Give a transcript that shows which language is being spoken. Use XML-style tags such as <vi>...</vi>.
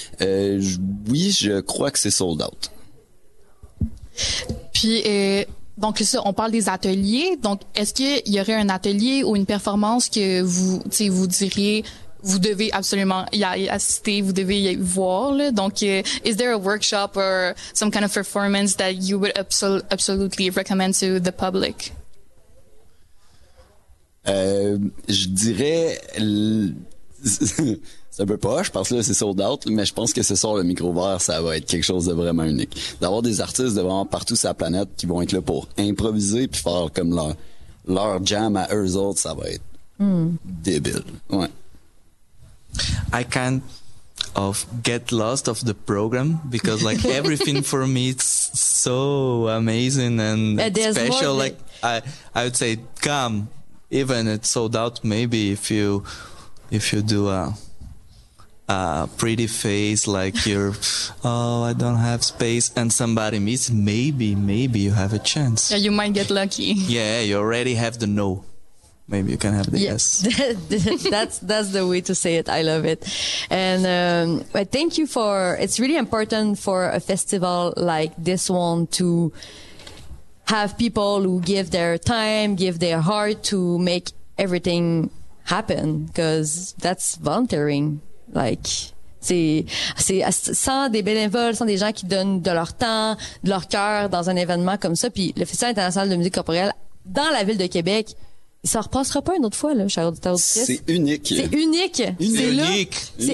<fr>C'est le micro vert. Oui, je crois que c'est sold out. Puis, donc ça, on parle des ateliers. Donc, est-ce qu'il y aurait un atelier ou une performance que vous, tu sais, vous diriez, vous devez absolument y assister, vous devez y voir, là.</fr> <en>Donc, is there a workshop or some kind of performance that you would absolutely recommend to the public?</en> <fr>Je dirais, c'est un peu poche parce que là, c'est sold out, mais je pense que ce soir, le micro vert, ça va être quelque chose de vraiment unique. D'avoir des artistes de vraiment partout sur la planète qui vont être là pour improviser puis faire comme leur jam à eux autres, ça va être débile. Ouais.</fr> <en>I can't of get lost of the program because like everything for me it's so amazing and special. Like I would say come, even it's sold out, maybe if you do a pretty face, like you're I don't have space and somebody meets, maybe you have a chance. Yeah, you might get lucky. Yeah, you already have the no. Maybe you can have the yes. that's the way to say it. I love it. And I thank you for, it's really important for a festival like this one to have people who give their time, give their heart to make everything happen, because that's volunteering.</en> <fr>Like, c'est sans des bénévoles, sans des gens qui donnent de leur temps, de leur cœur dans un événement comme ça. Puis le Festival international de musique corporelle dans la ville de Québec, il s'en repassera pas une autre fois, là, cher auditeur. C'est unique. C'est unique. Unique. C'est</fr>